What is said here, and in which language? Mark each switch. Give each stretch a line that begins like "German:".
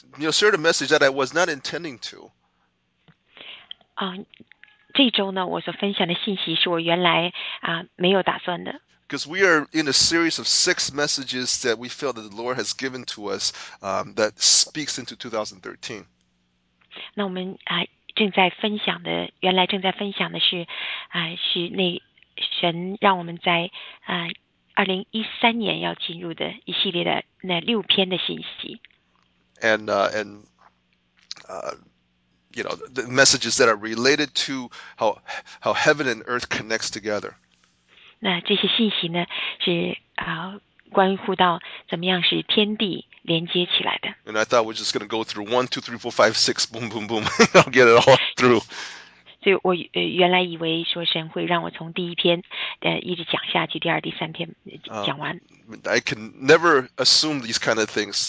English: shared a message that I was not intending to.
Chinese: 这周呢, 我所分享的信息, 是我原来, 没有打算的。
English: Because we are in a series of six messages that we feel that the Lord has given to us that speaks into 2013.
Chinese: 那我们, 正在分享的, 原来正在分享的是, 是那神让我们在, 2013年要进入的一系列的那六篇的信息。
English: You know, the messages that are related to how heaven and earth connects together.
Chinese: 那这些信息呢, 是, 关乎到怎么样使天地连接起来的。
English: And I thought we're just going to go through 1, 2, 3, 4, 5, 6, boom, boom, boom, I'll get it all through.
Chinese: 所以我, 原来以为说神会让我从第一篇, 一直讲下去, 第二, 第三篇讲完。
English: I can never assume these kind of things.